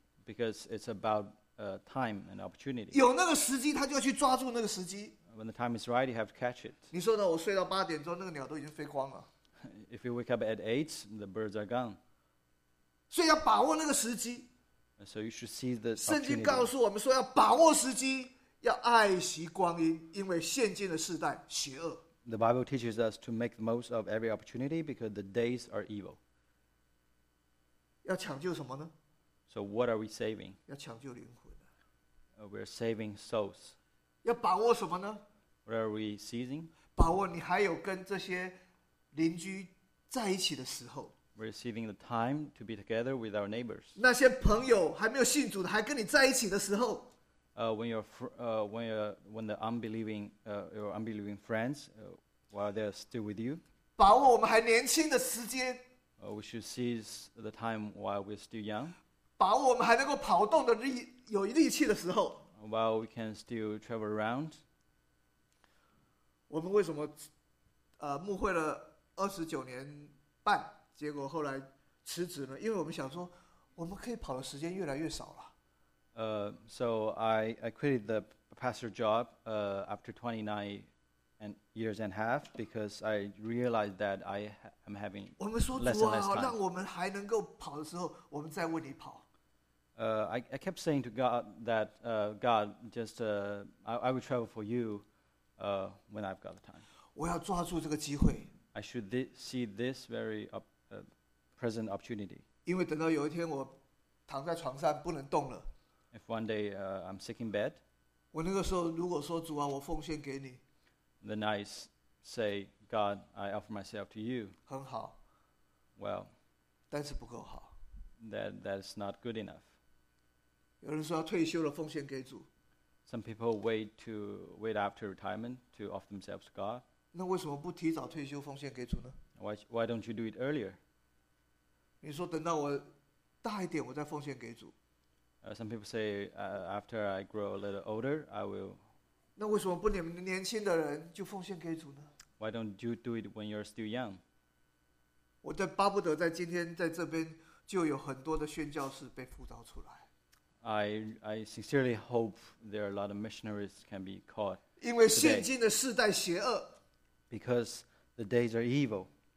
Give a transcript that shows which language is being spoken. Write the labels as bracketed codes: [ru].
[en] Because it's about time and opportunity. [zh] 有那个时机，他就要去抓住那个时机。 [en] When the time is right, you have to catch it. [zh] 你说呢？我睡到八点钟，那个鸟都已经飞光了。 [en] If you wake up at 8, the birds are gone. [zh] 所以要把握那个时机。 [en] So you should seize the opportunity. [zh] 圣经告诉我们说，要把握时机，要爱惜光阴，因为现今的世代邪恶。 [en] The Bible teaches us to make the most of every opportunity because the days are evil. [zh] 要抢救什么呢？ [en] So what are we saving? [zh] 要抢救灵魂。 [en] We're saving souls. [zh] 要把握什么呢？ [en] What are we seizing? [zh] 把握你还有跟这些邻居在一起的时候。 [en] We're saving the time to be together with our neighbors. [zh] 那些朋友还没有信主的还跟你在一起的时候。 [en] When the unbelieving, your unbelieving friends, while they're still with you. [zh] 把握我们还年轻的时间。 [en] We should seize the time while we're still young. [zh] 把握我们还能够跑动的力有力气的时候。 [en] While we can still travel around. [zh] 我们为什么牧会了29年半，结果后来辞职呢？因为我们想说，我们可以跑的时间越来越少了。 [en] So I quit the pastor job after 29. And years and a half, because I realized that I am having less and less time. [zh] 让我们还能够跑的时候，我们再为你跑。 [en] I kept saying to God that God just I will travel for you when I've got the time. [zh] 我要抓住这个机会。 [en] I should see this very present opportunity. [zh] 因为等到有一天我躺在床上不能动了。 [en] If one day I'm sick in bed. [zh] 我那个时候如果说主啊，我奉献给你。 [en] Then I say, God, I offer myself to you. [zh] 很好。 [en] Well. [zh] 但是不够好。 [en] That's not good enough. [zh] 有人说要退休了奉献给主。 [en] Some people wait after retirement to offer themselves to God. [zh] 那为什么不提早退休奉献给主呢？ [en] Why don't you do it earlier? [zh] 你说等到我大一点，我再奉献给主。 [en] Some people say, after I grow a little older, I will. [zh] 那为什么不你们年轻的人就奉献给主呢？ [en] Why don't you do it when you're still young? [zh] 我在巴不得在今天在这边就有很多的宣教士被呼召出来。 [en] I sincerely hope there are a lot of missionaries can be called. [zh] 因为现今的世代邪恶。 [en] Because the days are evil.